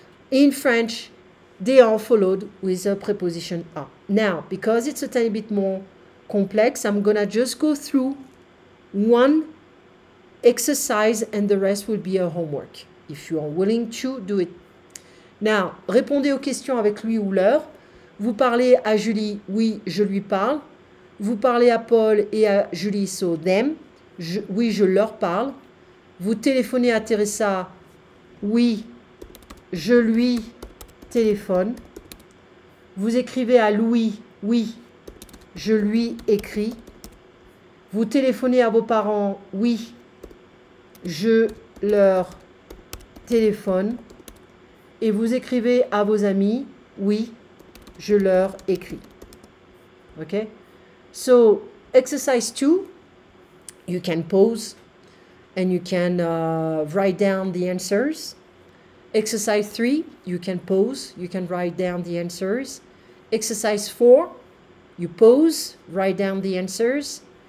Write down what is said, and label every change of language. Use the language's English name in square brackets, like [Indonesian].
[English] In French, they are followed with a preposition à. Now, because it's a tiny bit more complex, I'm going to just go through one exercise and the rest will be a homework. If you are willing to do it. [French] Now, répondez aux questions avec lui ou leur. Vous parlez à Julie, oui, je lui parle. Vous parlez à Paul et à Julie, [English] so them, [French] oui, je leur parle. Vous téléphonez à Teresa, oui, je lui téléphone. Vous écrivez à Louis, oui, je lui écris. Vous téléphonez à vos parents, oui, je leur téléphone. Et vous écrivez à vos amis, oui, je leur écris. OK? [English] So, exercise 2, you can pause and you can write down the answers. Exercise 3, you can pause, you can write down the answers. Exercise 4, you pause, write down the answers.